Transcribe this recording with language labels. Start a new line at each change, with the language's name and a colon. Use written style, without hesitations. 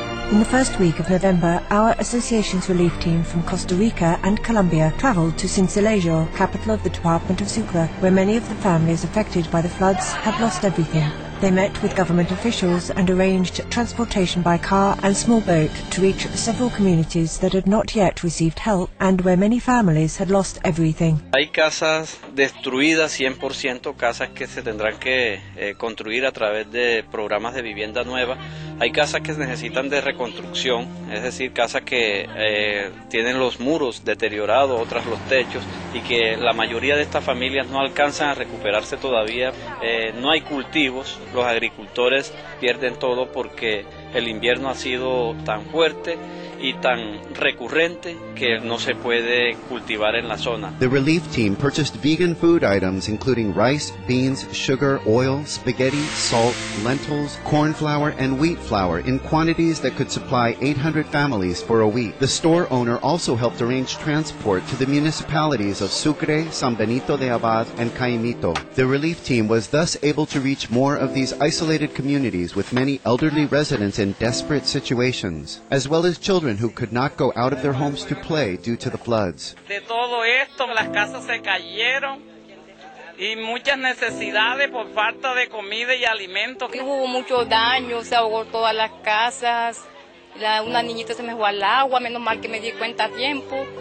English: In the first week of November, our association's relief team from Costa Rica and Colombia traveled to Sincelejo, capital of the Department of Sucre, where many of the families affected by the floods have lost everything. They met with government officials and arranged transportation by car and small boat to reach several communities that had not yet received help and where many families had lost everything.
Spanish: Hay casas destruidas 100%, casas que se tendrán que construir a través de programas de vivienda nueva. Hay casas que necesitan de reconstrucción, es decir, casas que tienen los muros deteriorados, otras los techos, y que la mayoría de estas familias no alcanzan a recuperarse todavía. No hay cultivos, los agricultores pierden todo porque el invierno ha sido tan fuerte y tan recurrente que no se puede cultivar en la zona.
English: The relief team purchased vegan food items including rice, beans, sugar, oil, spaghetti, salt, lentils, corn flour, and wheat flour in quantities that could supply 800 families for a week. The store owner also helped arrange transport to the municipalities of Sucre, San Benito de Abad, and Caimito. The relief team was thus able to reach more of these isolated communities with many elderly residents in desperate situations, as well as children who could not go out of their homes to play due to the floods.
Spanish: De todo esto, las casas se cayeron y muchas necesidades por falta de comida y alimentos. Hubo mucho daño, se ahogó todas las casas. Una niñita se me fue al agua, menos mal que me di cuenta a tiempo.